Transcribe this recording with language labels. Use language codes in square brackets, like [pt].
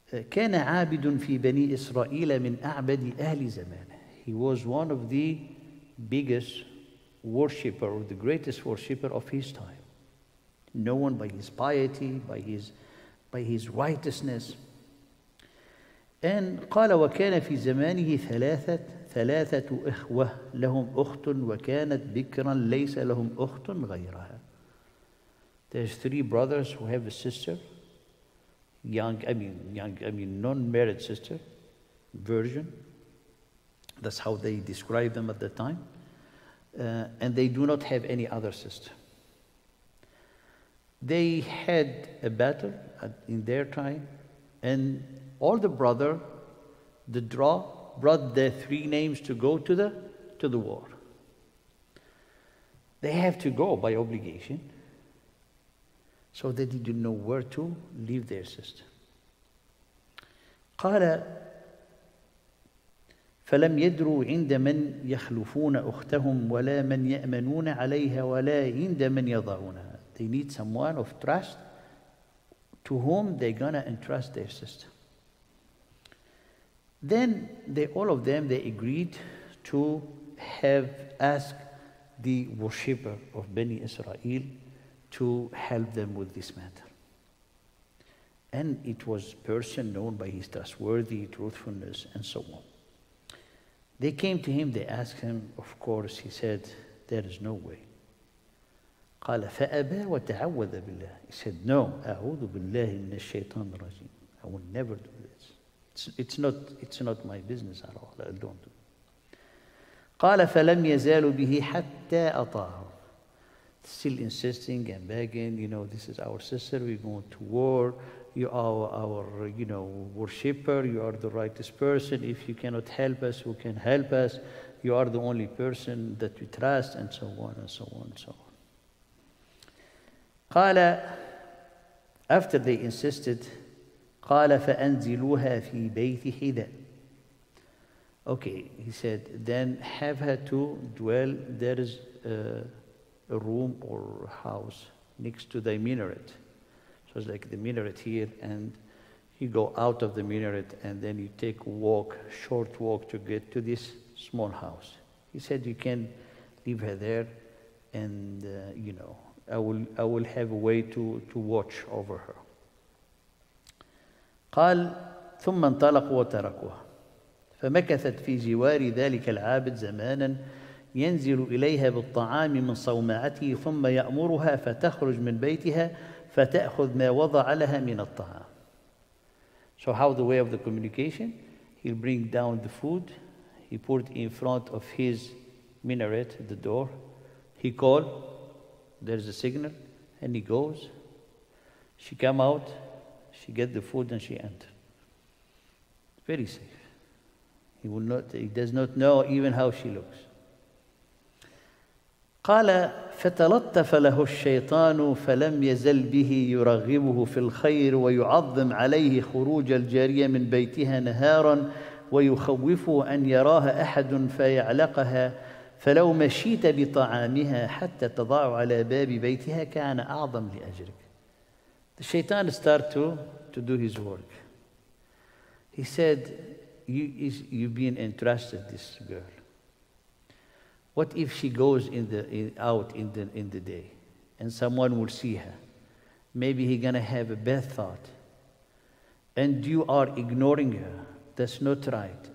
[ar] كان عابد في بني إسرائيل من أعبد أهل زمانه. [en] He was one of the biggest worshipper, or the greatest worshipper of his time. No one by his piety, by his righteousness. And [ar] قال وكان في زمانه ثلاثة إخوة لهم أخت وكانت بكرا ليس لهم أخت غيرها. [en] There's three brothers who have a sister. Young, non-married sister, virgin. That's how they describe them at the time. And they do not have any other sister. They had a battle in their time, and all the brother, the draw, brought their three names to go to the war. They have to go by obligation. So they didn't know where to leave their sister. [ar] قال فلم يدروا عند من يخلفون أختهم ولا من يأمنون عليها ولا عند من يضعونها. [en] They need someone of trust to whom they're gonna entrust their sister. Then they agreed to ask the worshipper of Bani Israel to help them with this matter. And it was a person known by his trustworthy truthfulness and so on. They came to him, they asked him, of course, he said, there is no way. [ar] قال فأبى وتعوذ بالله. [en] He said, no, [ar] أعوذ بالله من الشيطان الرجيم. [en] I will never do this. It's not my business at all. I don't do it. [ar] قال فلم يزال به حتى أطاعه. [en] Still insisting and begging, you know, this is our sister, we're going to war, you are our, you know, worshipper, you are the rightest person, if you cannot help us, who can help us? You are the only person that we trust, and so on, and so on, and so on. [ar] قال, [en] after they insisted, [ar] قال فأنزلوها في بيت حذاء. [en] Okay, he said, then have her to dwell, there is a room or house next to the minaret. So it's like the minaret here, and you go out of the minaret and then you take a walk, short walk, to get to this small house. He said, you can leave her there, and you know, I will have a way to watch over her. [ar] قال ثم انطلقوا وتركوها فمكثت في جوار ذلك العابد زمانا ينزل إليها بالطعام من صومعته ثم يأمرها فتخرج من بيتها فتأخذ ما وضع لها من الطعام. [en] So how the way of the communication? He'll bring down the food, he put it in front of his minaret, the door, he call, there's a signal, and he goes, she come out, she get the food, and she enter. Very safe. He does not know even how she looks. [ar] قال فتلطف له الشيطان فلم يزل به يرغبه في الخير ويعظم عليه خروج الجارية من بيتها نهارا ويخوفه أن يراها أحد فيعلقها فلو مشيت بطعامها حتى تضع على باب بيتها كان أعظم لأجرك. [en] The shaitan started to do his work. He said, you've been entrusted this girl. What if she goes out in the day, and someone will see her? Maybe he's gonna have a bad thought. And you are ignoring her. That's not right.